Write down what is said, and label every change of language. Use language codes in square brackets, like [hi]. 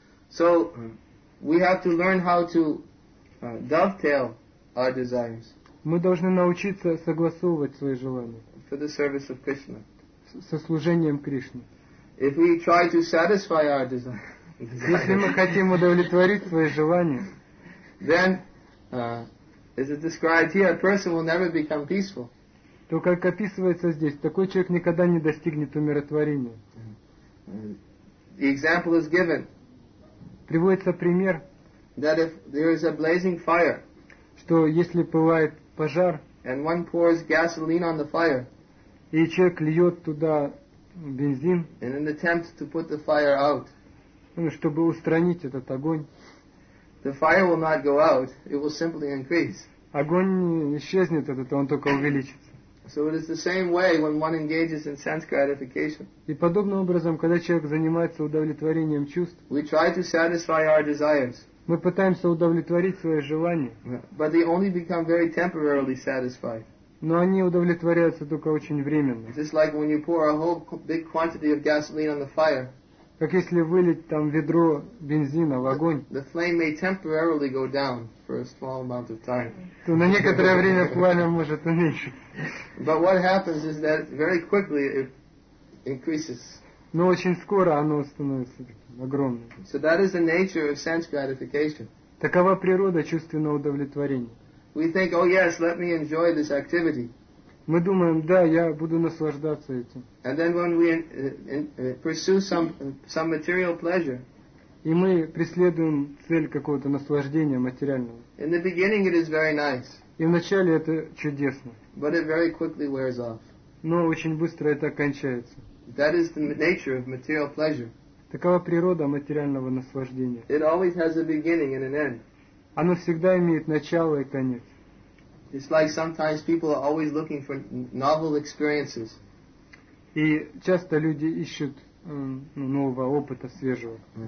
[en] So we have to learn how to dovetail our desires. [ru] Мы должны научиться согласовывать свои желания [en] for the service of Krishna, [ru] со служением Кришны. [en] If we try to satisfy our desires, [ru] если мы хотим удовлетворить свои желания, [en] then, as it describes here, a person will never become peaceful. [ru] То, как описывается здесь, такой человек никогда не достигнет умиротворения. [en] The example is given. [ru] Приводится пример. [en] That if there is a blazing fire, [ru] что если пылает пожар, [en] and one pours gasoline on the fire, [ru] и человек льет туда бензин, [en] in an attempt to put the fire out, [ru] чтобы устранить этот огонь, [en] the fire will not go out, it will simply increase. [ru] Огонь исчезнет от этого, он только увеличится. [en] So it is the same way when one engages in sense gratification. [ru] И подобным образом, когда человек занимается удовлетворением чувств, [en] we try to satisfy our desires. [ru] Мы пытаемся удовлетворить свои желания, [en] but they only become very temporarily satisfied. [ru] Но они удовлетворяются только очень временно. [en] Just like when you pour a whole big quantity of gasoline on the fire. [ru] Как если вылить там ведро бензина в огонь. [en] The flame may temporarily go down for a small amount of time. [ru] То на некоторое время пламя может уменьшиться. [en] But what happens is that very quickly it increases. [ru] Но очень скоро оно становится таким огромным. [en] So that is the nature of sense gratification. [ru] Такова природа чувственного удовлетворения. [en] We think, oh yes, let me enjoy this activity. [ru] Мы думаем, да, я буду наслаждаться этим. [en] And then when we pursue some material pleasure. [ru] И мы преследуем цель какого-то наслаждения материального. [en] In the beginning it is very nice. [ru] И вначале это чудесно. [en] But it very quickly wears off. [ru] Но очень быстро это кончается. [en] That is the nature of material pleasure. [ru] Такова природа материального наслаждения. [en] It always has a beginning and an end. [ru] Оно всегда имеет начало и конец. [en] It's like sometimes people are always looking for novel experiences. [ru] И часто люди ищут нового опыта, свежего.